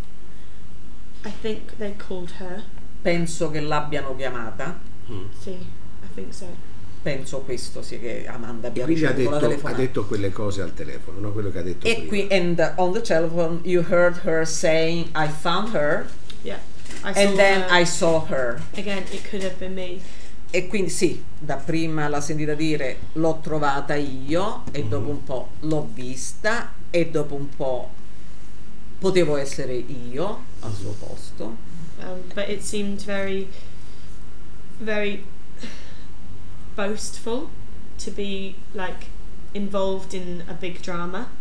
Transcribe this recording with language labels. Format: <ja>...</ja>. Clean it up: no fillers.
<en>Did she call her? I think they called her.</en> <it>Penso che l'abbiano chiamata. Mm.</it> <en>Sì, I think so.</en> <it>Penso questo, sì, che Amanda abbia ricevuto la telefonata. Quindi ha detto quelle cose al telefono, no? Quello che ha detto e prima. E qui,</it> <en>and on the telephone, you heard her saying, I found her. Yeah, I saw and then her. I saw her. Again, it could have been me.</en> <it>E quindi, sì, da prima l'ha sentita dire, l'ho trovata io, e dopo un po' l'ho vista. E dopo un po' potevo essere io al suo posto.</it> <en>But it seemed very, very boastful to be, like, involved in a big drama.</en>